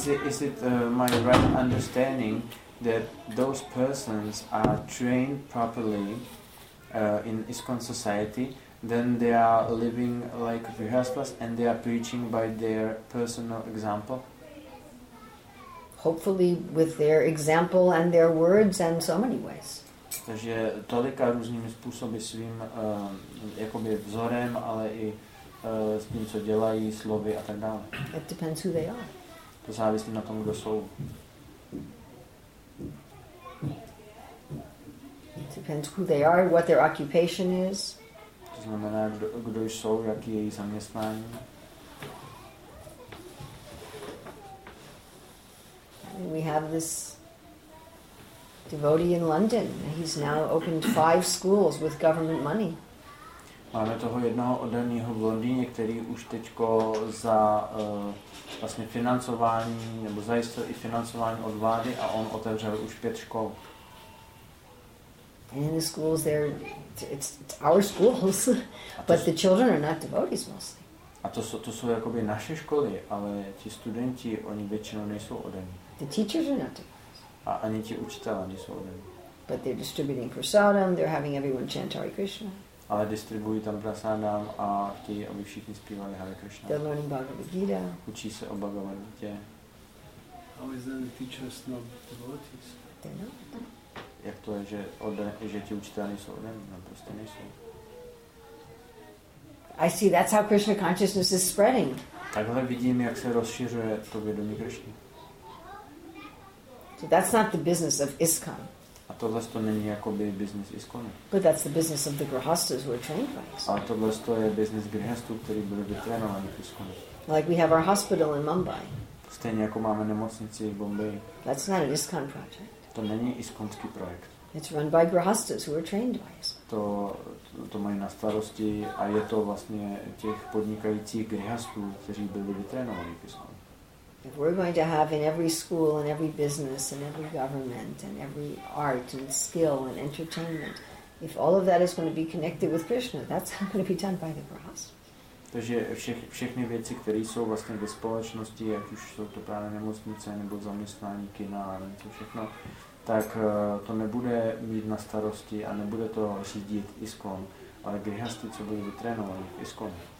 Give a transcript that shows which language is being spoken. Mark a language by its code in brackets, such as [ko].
[en] Is it my right understanding that those persons are trained properly in ISKCON society, then they are living like Vyhaspas and they are preaching by their personal example? Hopefully with their example and their words and so many ways. [cs] Takže tolika různými způsoby svým jakoby vzorem, ale i s tím, co dělají, slovy a tak dále. [en] It depends who they are. [cs] To závisí na tom, kdo jsou. [en] It depends who they are, what their occupation is. [cs] To znamená, kdo jsou, jaký je jejich zaměstnání. [en] We have this devotee in London. He's now opened 5 schools with government money. [cs] Máme toho jednoho oddaného v Londýně, který už teďko za vlastně financování nebo zajistil i financování od vlády a on otevřel už 5 škol. [en] And in the schools there, it's our schools, but the children are not devotees mostly. [cs] A to jsou jakoby naše školy, ale ti studenti, oni většinou nejsou oddaní. [en] The teachers are not devotees. [cs] A ani ti učitelé nejsou oddaní. [en] But they're distributing prasadam, they're having everyone chant Hare Krishna. [cs] Ale distribuují tam prasadam a chtějí, aby všichni zpívali Hare Krishna. [en] They're learning Bhagavad Gita. [cs] Učí se o Bhagavad Gita. [en] How is then the teachers not devotees? They're not. [cs] Jak to je, že ti učitelé nejsou oddaní? No, prostě nejsou. [en] I see, that's how Krishna consciousness is spreading. [cs] Takhle vidím, jak se rozšiřuje to vědomí Krishny. [en] So that's not the business of ISKCON. [cs] A tohle to není jakoby business ISKCONu. [en] But that's the business of the grihasthas who are trained by ISKCON. [cs] A tohle to je business grihasthů, který byly vytrénovány v ISKCONu. [en] Like we have our hospital in Mumbai. [cs] Stejně jako máme nemocnici v Bombaji. [en] That's not an ISKCON project. [cs] To není ISKCONský projekt. [en] It's run by grihasthas who are trained by ISKCON. [cs] To mají na starosti a je to vlastně těch podnikajících grihasthů, kteří byli vytrénovaní v ISKCONu. [en] If we're going to have in every school and every business and every government and every art and skill and entertainment, if all of that is going to be connected with Krishna, that's not going to be done by the grihasthas. [cs] Takže všechny věci, které jsou vlastně ve společnosti, ať už jsou to právě nemocnice nebo zaměstnání, kina a něco všechno, tak to nebude mít na starosti a nebude to řídit ISKCON, ale grihasthy, co byli vytrénovaní v ISKCON.